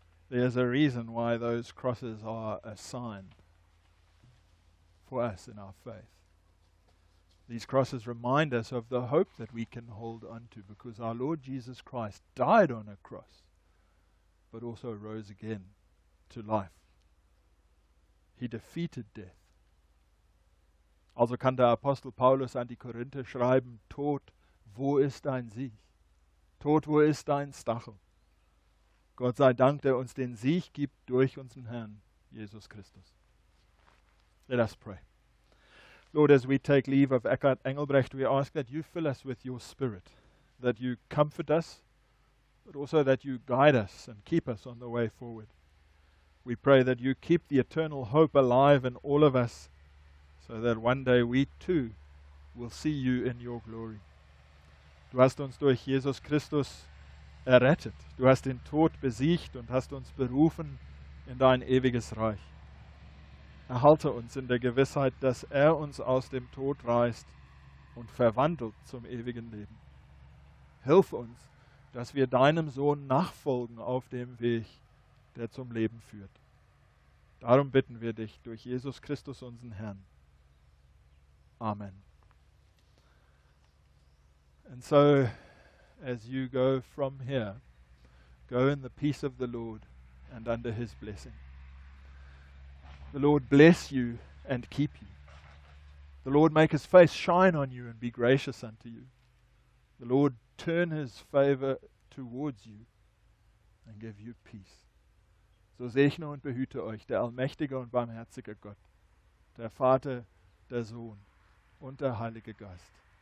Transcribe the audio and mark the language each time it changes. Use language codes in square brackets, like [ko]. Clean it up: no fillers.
[en] There's a reason why those crosses are a sign for us in our faith. These crosses remind us of the hope that we can hold on to, because our Lord Jesus Christ died on a cross, but also rose again to life. He defeated death. [de] Also kann der Apostel Paulus an die Korinther schreiben, Tod, wo ist dein Sieg? Tod, wo ist dein Stachel? Gott sei Dank, der uns den Sieg gibt durch unseren Herrn Jesus Christus. [en] Let us pray. Lord, as we take leave of Eckard Engelbrecht, we ask that you fill us with your Spirit, that you comfort us, but also that you guide us and keep us on the way forward. We pray that you keep the eternal hope alive in all of us, so that one day we too will see you in your glory. [de] Du hast uns durch Jesus Christus errettet. Du hast den Tod besiegt und hast uns berufen in dein ewiges Reich. Erhalte uns in der Gewissheit, dass uns aus dem Tod reißt und verwandelt zum ewigen Leben. Hilf uns, dass wir deinem Sohn nachfolgen auf dem Weg, der zum Leben führt. Darum bitten wir dich durch Jesus Christus, unseren Herrn. Amen. [en] And so, as you go from here, go in the peace of the Lord and under his blessing. The Lord bless you and keep you. The Lord make his face shine on you and be gracious unto you. The Lord turn his favor towards you and give you peace. [de] So segne und behüte euch der allmächtige und barmherzige Gott, der Vater, der Sohn und der Heilige Geist.